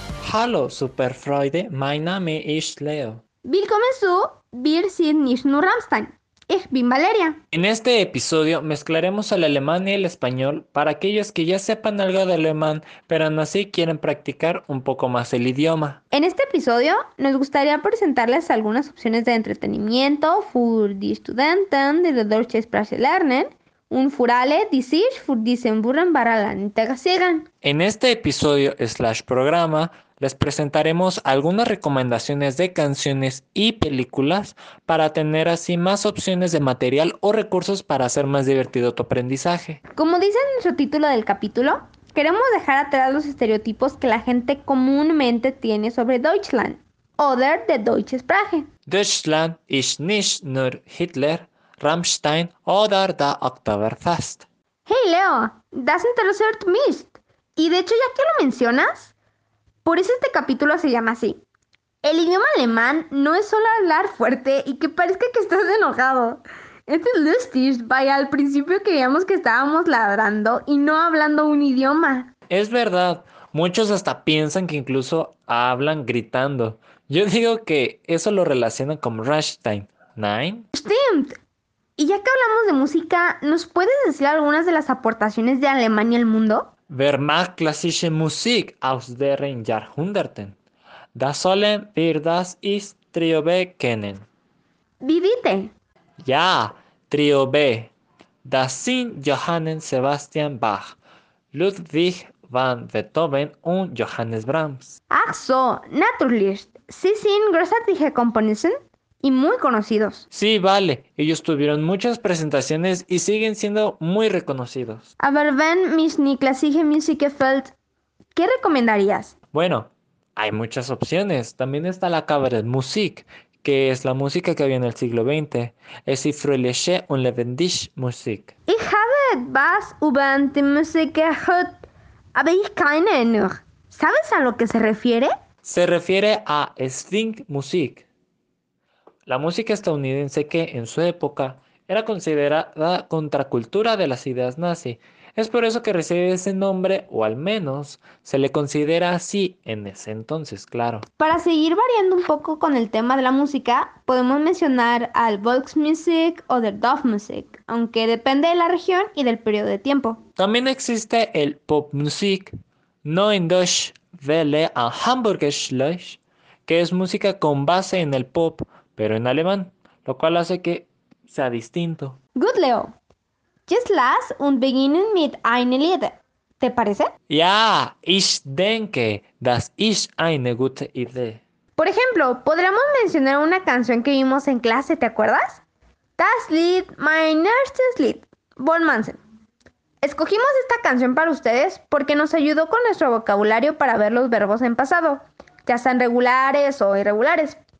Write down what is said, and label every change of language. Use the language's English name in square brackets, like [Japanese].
[German] Hallo, Superfreude, mein Name ist Leo. Willkommen zu Wir sind nicht nur Rammstein. Ich bin Valeria. [Spanish] En este episodio mezclaremos el alemán y el español para aquellos que ya sepan algo de alemán, pero aún así quieren practicar un poco más el idioma. En este episodio nos gustaría presentarles algunas opciones de entretenimiento [German] für die Studenten, die die deutsche Sprache lernen, und für alle, die sich für diesen Buren [Spanish] para la integración. En este episodio / programa les presentaremos algunas recomendaciones de canciones y películas para tener así más opciones de material o recursos para hacer más divertido tu aprendizaje. Como dice en nuestro título del capítulo, queremos dejar atrás los estereotipos que la gente comúnmente tiene sobre Deutschland, [German] oder der deutsche Sprache. Deutschland ist nicht nur Hitler, Rammstein oder der Oktoberfest. Hey Leo, das interessiert mich. [Spanish] Y de hecho, ya que lo mencionas, por eso este capítulo se llama así. El idioma alemán no es solo hablar fuerte y que parezca que estás enojado. Este es lustig, vaya, al principio creíamos que estábamos ladrando y no hablando un idioma. Es verdad, muchos hasta piensan que incluso hablan gritando. Yo digo que eso lo relacionan con Rammstein, ¿nein? [German] Stimmt. [Spanish] Y ya que hablamos de música, ¿nos puedes decir algunas de las aportaciones de Alemania al mundo? [German] Wer macht klassische Musik aus deren Jahrhunderten? Das sollen wir das ist Trio B kennen. Wie bitte? Ja, Trio B. Das sind Johann Sebastian Bach, Ludwig van Beethoven und Johannes Brahms. Ach so, natürlich. Sie sind großartige Komponisten [Spanish] y muy conocidos. Sí, vale. Ellos tuvieron muchas presentaciones y siguen siendo muy reconocidos. [German] Aber wenn mich nicht klassische Musik gefällt, [Spanish] ¿qué recomendarías? Bueno, hay muchas opciones. También está la Kabarettmusik, que es la música que había en el siglo XX. [German] Es die fröhliche und lebendige Musik. Ich habe etwas über die Musik gehört, aber ich keine noch. [Spanish] ¿Sabes a lo que se refiere? Se refiere a Swingmusik. La música estadounidense que, en su época, era considerada contracultura de las ideas nazi. Es por eso que recibe ese nombre, o al menos, se le considera así en ese entonces, claro. Para seguir variando un poco con el tema de la música, podemos mencionar al Volksmusik o der Dorfmusik, aunque depende de la región y del periodo de tiempo. También existe el Popmusik, Neuen Deutsch Welle a Hamburger Schloss, que es música con base en el pop, pero en alemán, lo cual hace que sea distinto. [German] Gut, Leo. Jetzt lass und beginnen mit einem Lied. ¿Te parece? Ja, ich denke, das ist eine gute Idee. [Spanish] Por ejemplo, podríamos mencionar una canción que vimos en clase, ¿te acuerdas? [German] Das Lied, mein erstes Lied, von Manzen. [Spanish] Escogimos esta canción para ustedes porque nos ayudó con nuestro vocabulario para ver los verbos en pasado, ya sean regulares o irregulares.